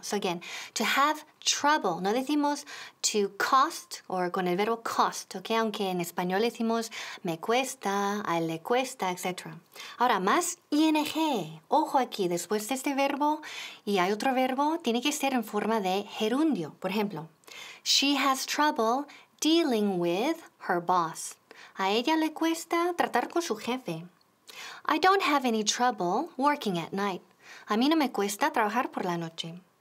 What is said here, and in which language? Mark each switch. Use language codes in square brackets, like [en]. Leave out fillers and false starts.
[es] So again, to have trouble. No decimos to cost o con el verbo cost, ¿ok? Aunque en español decimos me cuesta, a él le cuesta, etc. Ahora, más ing. Ojo aquí, después de este verbo y hay otro verbo, tiene que ser en forma de gerundio. [en] Por ejemplo, she has trouble dealing with her boss. [es] A ella le cuesta tratar con su jefe. [en] I don't have any trouble working at night. [es] A mí no me cuesta trabajar por la noche.